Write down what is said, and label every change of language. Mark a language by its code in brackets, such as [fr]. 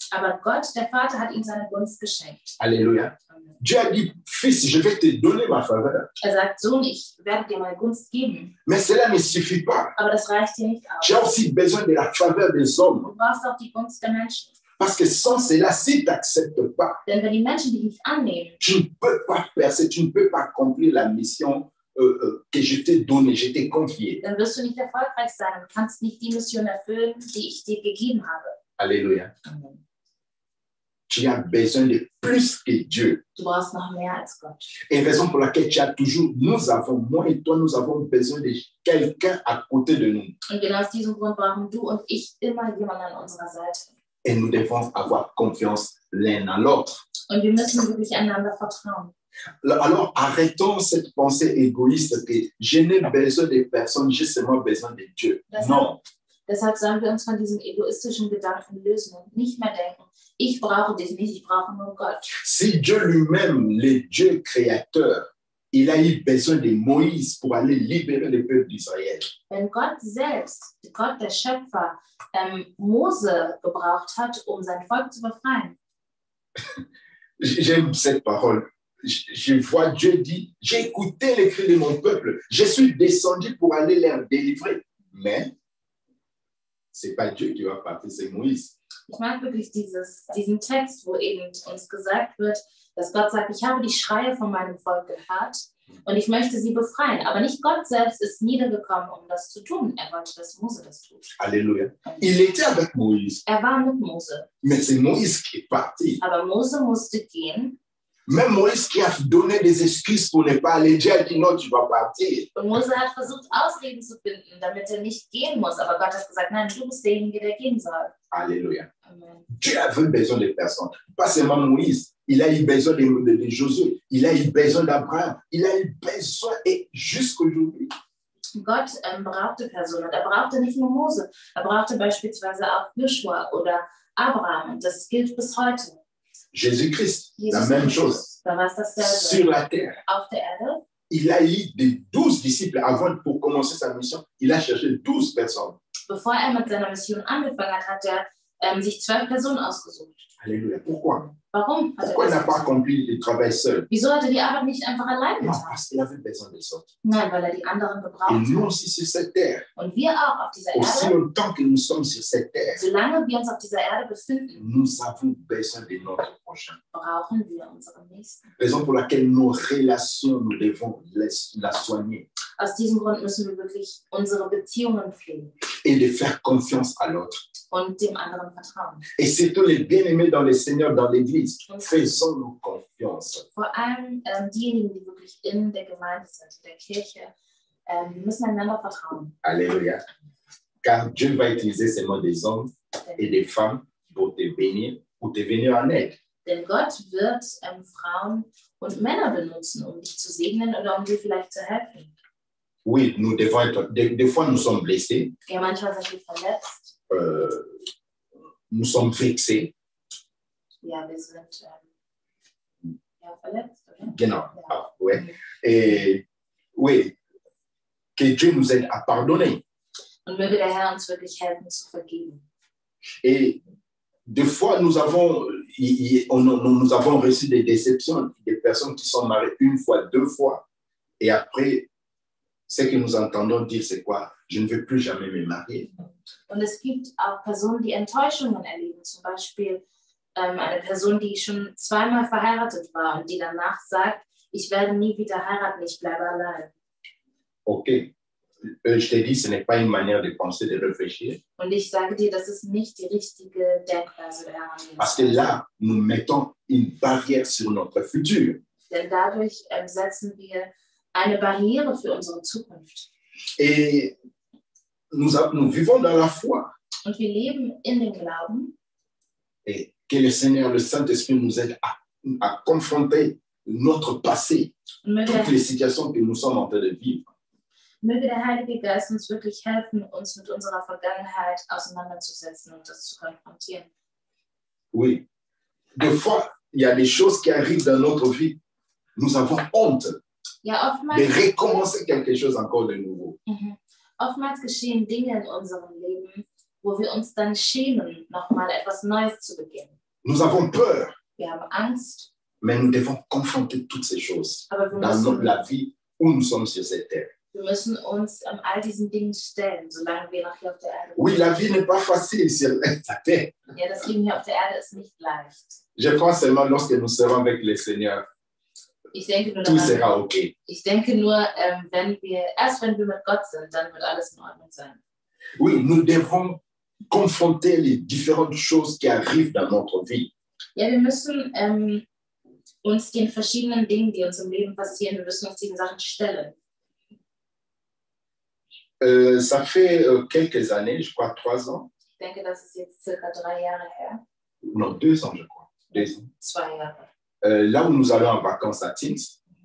[de] Aber Gott, der Vater, hat ihm seine Gunst geschenkt. [fr] Alléluia. Dieu a dit, fils, je vais te donner ma faveur. [de] Er sagt, Sohn, ich werde dir meine Gunst geben. [fr] Mais cela ne suffit pas. [de] Aber das reicht dir nicht aus. [fr] J'ai aussi besoin de la faveur des hommes. [de] Du brauchst auch die Gunst der Menschen. [fr] Parce que sans cela, si tu n'acceptes pas, [de] denn wenn die Menschen dich nicht annehmen, [fr] tu ne peux pas percer, tu ne peux pas accomplir la mission que je t'ai donnée, je t'ai confiée. [de] Dann wirst du nicht erfolgreich sein. Du kannst nicht die Mission erfüllen, die ich dir gegeben habe. [fr] Alléluia. Amen. Tu as besoin de plus que Dieu. [de] Du brauchst noch mehr als Gott. [fr] Et raison pour laquelle tu as toujours, nous avons, moi et toi, nous avons besoin de quelqu'un à côté de nous. [de] Und genau aus diesem Grund brauchen du und ich immer jemanden an unserer Seite. [fr] Et nous devons avoir confiance l'un à l'autre. [de] Und wir müssen wirklich einander vertrauen. [fr] Alors arrêtons cette pensée égoïste que je n'ai besoin de personne, j'ai seulement besoin de Dieu. [de] Deshalb sollen wir uns von diesem egoistischen Gedanken lösen und nicht mehr denken, ich brauche dich nicht, ich brauche nur Gott. [fr] Si Dieu lui-même, le Dieu créateur, il a eu besoin de Moïse pour aller libérer le peuple d'Israël. [de] Wenn Gott selbst, Gott der Schöpfer, Mose gebraucht hat, um sein Volk zu befreien. [fr] J'aime cette parole. Je vois Dieu dit, j'ai écouté les cris de mon peuple, je suis descendu pour aller les délivrer, mais c'est pas Dieu qui va partir, c'est Moïse. [de] Ich meine wirklich diesen Text, wo eben uns gesagt wird, dass Gott sagt, ich habe die Schreie von meinem Volk gehört und ich möchte sie befreien. Aber nicht Gott selbst ist niedergekommen, um das zu tun. Er wollte, dass Mose das tut. [fr] Alléluia. Il était avec Moïse. [de] Er war mit Mose. [fr] Mais c'est Moïse qui est parti. [de] Aber Mose musste gehen. [fr] Même Moïse qui a donné des excuses pour ne pas aller, Dieu a dit non, tu vas partir. [de] Und Mose hat versucht, Ausreden zu finden, damit nicht gehen muss. Aber Gott hat gesagt, nein, du bist derjenige, der gehen soll. [fr] Alléluia. Dieu avait besoin de personnes. Pas seulement Moïse. Il a eu besoin de Josué. Il a eu besoin d'Abraham. Il a eu besoin et jusqu'aujourd'hui. [de] Gott brauchte Personen. Er brauchte nicht nur Mose. Er brauchte beispielsweise auch Joshua oder Abraham. Und das gilt bis heute. [fr] Jésus-Christ, la même chose. Sur la terre. [de] Auf der Erde. [fr] Il a eu des 12 disciples avant pour commencer sa mission. Il a cherché 12 personnes. [de] Bevor mit seiner Mission angefangen hat, hat sich 12 Personen ausgesucht. [fr] Alléluia. Pourquoi? [de] Warum? [fr] Pourquoi il n'a pas accompli le travail seul? [de] Wieso hat die Arbeit nicht einfach allein getan? [fr] Non, parce qu'il avait besoin des autres. [de] Nein, weil die anderen gebraucht. [fr] Et nous aussi sur cette terre. [de] Und wir auch auf dieser [fr] aussi [de] Erde. [fr] Aussi longtemps que nous sommes sur cette terre. [de] Solange wir uns auf dieser Erde befinden. [fr] Nous avons besoin de notre prochain. [de] Brauchen wir unseren Nächsten. [fr] Raison pour laquelle nos relations, nous devons la soigner. [de] Aus diesem Grund müssen wir wirklich unsere Beziehungen pflegen. [fr] Et de faire confiance à l'autre. [de] Und dem anderen vertrauen. [fr] Et surtout les bien-aimés dans le Seigneur, dans les vies. l'église. Faisons-nous confiance. [de] Vor allem diejenigen, die wirklich in der Gemeinde sind, in der Kirche, müssen einander vertrauen. [fr] Alléluia. Car Dieu va utiliser seulement des hommes et des femmes pour te bénir ou te venir en aide. [de] Denn Gott wird Frauen und Männer benutzen, um dich zu segnen oder um dir vielleicht zu helfen. [fr] Oui, nous devons être. Des fois, nous sommes blessés. [de] Ja, manchmal sind wir verletzt. [fr] Nous sommes vexés. [de] Ja, wir sind verletzt. Oder? Genau. Ja. [fr] Ah, ouais. Et, oui. Que Dieu nous aide à pardonner. [de] Und möge der Herr uns wirklich helfen zu vergeben. [fr] Et des fois, nous avons. Nous avons reçu des déceptions, des personnes qui sont mariées une fois, deux fois, et après, ce que nous entendons dire, c'est quoi? Je ne veux plus jamais me marier. [de] Und es gibt auch Personen, die Enttäuschungen erleben, zum Beispiel eine Person, die schon zweimal verheiratet war und die danach sagt, ich werde nie wieder heiraten, ich bleibe allein. [en] Okay. [fr] Je t'ai dit, ce n'est pas une manière de penser, de réfléchir. [de] Und ich sage dir, das ist nicht die richtige Denkweise. [fr] Parce que là, nous mettons une barrière sur notre futur. [de] Denn dadurch setzen wir eine Barriere für unsere Zukunft. [fr] Et nous vivons dans la foi. [de] Und wir leben in dem Glauben. [fr] Et que le Seigneur, le Saint-Esprit nous aide à confronter notre passé, toutes les situations que nous sommes en train de vivre. [de] Möge der Heilige Geist uns wirklich helfen, uns mit unserer Vergangenheit auseinanderzusetzen und das zu konfrontieren. [fr] Oui. Des fois, il y a des choses qui arrivent dans notre vie. Nous avons honte. [de] Ja, oftmals [fr] de recommencer quelque chose encore de nouveau. [de] Oftmals geschehen Dinge in unserem Leben, wo wir uns dann schämen, nochmal etwas Neues zu beginnen. [fr] Nous avons peur. [de] Wir haben Angst. [fr] Mais nous devons confronter toutes ces choses dans la vie où nous sommes sur cette terre. [de] Wir müssen uns all diesen Dingen stellen, solange wir noch hier auf der Erde sind. [fr] Oui, la vie n'est pas facile sur la terre. [de] Ja, das Leben hier auf der Erde ist nicht leicht. [fr] Je pense seulement lorsque nous serons avec le Seigneur. [de] Ich denke nur, [fr] tout sera okay. [de] Ich denke nur wenn wir mit Gott sind, dann wird alles in Ordnung sein. [fr] Oui, nous devons confronter les différentes choses qui arrivent dans notre vie. [de] Ja, wir müssen uns den verschiedenen Dingen, die uns im Leben passieren, wir müssen uns diesen Sachen stellen. [fr] Ça fait quelques années, je crois, 3 ans. [de] Ich denke, das ist jetzt circa 3 Jahre her. [fr] Non, 2 ans, je crois. 2 ans. [de] 2 Jahre. [fr] Là où nous allons en vacances à Zins.